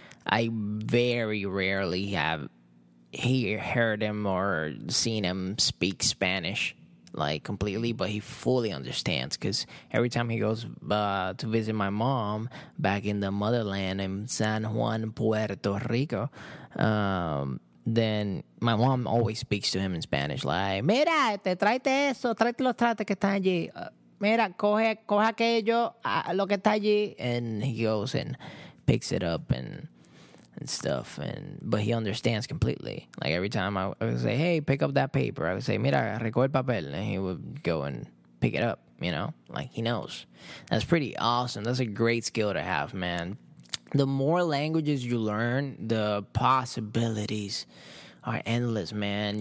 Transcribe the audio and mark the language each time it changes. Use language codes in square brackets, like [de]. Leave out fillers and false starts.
[en] I very rarely have heard him or seen him speak Spanish, like, completely, but he fully understands, because every time he goes to visit my mom back in the motherland in San Juan, Puerto Rico, then my mom always speaks to him in Spanish, like, [es] mira, te traite eso, traite los trates que están allí. Mira, coge aquello, lo que está allí. [en] And he goes and picks it up and stuff. But he understands completely. Like, every time I would say, hey, pick up that paper. I would say, [es] mira, recoge el papel. [en] And he would go and pick it up, you know? Like, he knows. That's pretty awesome. That's a great skill to have, man. The more languages you learn, the possibilities are endless, man.